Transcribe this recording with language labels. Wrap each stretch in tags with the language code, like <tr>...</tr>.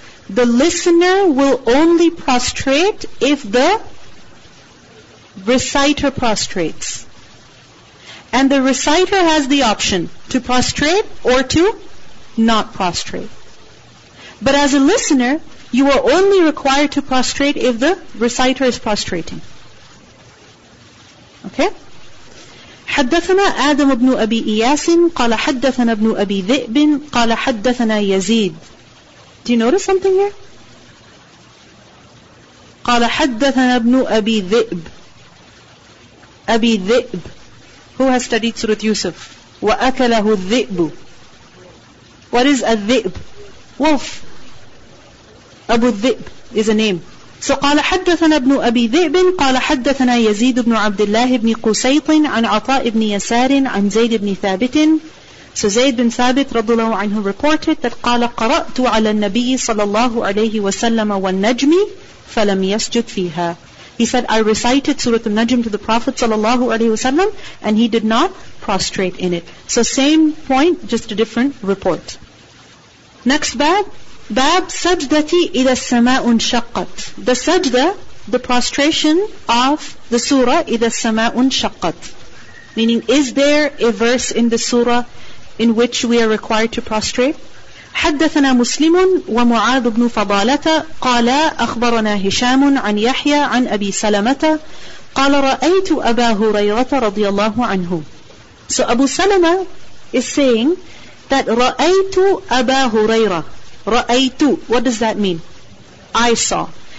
<en>The listener will only prostrate if the reciter prostrates. And the reciter has the option to prostrate or to not prostrate. But as a listener, you are only required to prostrate if the reciter is prostrating. Okay?</en> <ar>حدثنا آدم بن أبي إياس قال حدثنا ابن أبي ذئب قال حدثنا يزيد.</ar> <en>Do you notice something here?</en> <ar>قال حدثنا ابن أبي ذئب. أبي ذئب.</ar> <en>Who has studied Surah Yusuf?</en> <ar>وأكله الذئب.</ar> <en>What is a ذئب? Wolf. Abu Dhib is a name.</en> <ar>So قال حدثنا ابن أبي ذئب قال حدثنا يزيد بن عبد الله بن قسيط عن عطاء بن يسار عن زيد بن ثابت.</ar> <en>So Zayd bin Thabit</en> <ar>رضي الله عنه</ar> <en>reported that</en> <ar>قال قرأت على النبي صلى الله عليه وسلم والنجم فلم يسجد فيها.</ar> <en>He said, I recited Surah An-Najm to the Prophet</en> <ar>صلى الله عليه وسلم</ar> <en>and he did not prostrate in it. So same point, just a different report. Next bab. Bab sajdati ida sama'un shaqqat. The sajda, the prostration of the surah ida sama'un shaqqat. Meaning, is there a verse in the surah in which we are required to prostrate?</en> <ar>حدثنا مسلم ومعاذ بن فضالة قالا أخبرنا هشام عن يحيى عن أبي سلمة قال رأيت أبا هريرة رضي الله عنه.</ar> <en>So Abu Salama is saying that</en> <ar>رأيت أبا هريرة.</ar> <en>رَأَيْتُ. What does that mean? I saw.</en>